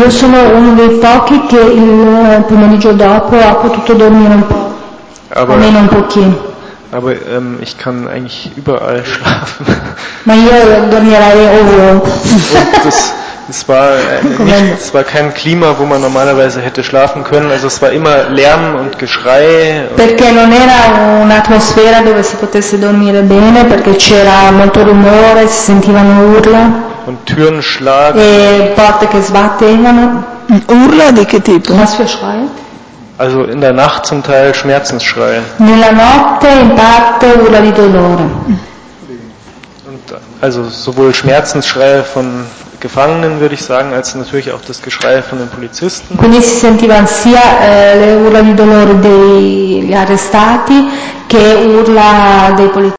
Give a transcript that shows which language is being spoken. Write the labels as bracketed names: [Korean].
[Italian] Io sono uno dei pochi che il pomeriggio dopo ha potuto dormire un po', almeno un pochino. [German] Aber ich kann eigentlich überall schlafen. [Italian] Ma io dormirei ovunque. [German] Das es war nicht, es war kein Klima, wo man normalerweise hätte schlafen können, also es war immer Lärm und Geschrei. [Italian] Perché non era un'atmosfera dove si potesse dormire bene, perché c'era molto rumore, si sentivano urla. [German] Und Türen schlagen. [Italian] E porte che sbattevano. Urla di che tipo? [German] Was für Schrei? Also in der Nacht zum Teil Schmerzensschrei. [Italian] Nella notte in parte urla di dolore. [German] Also sowohl Schmerzensschrei von Gefangenen, würde ich sagen, als natürlich auch das Geschrei von den Polizisten. [Italian] Quindi si sentivano sia le urla di dolore degli arrestati che urla dei polizisti.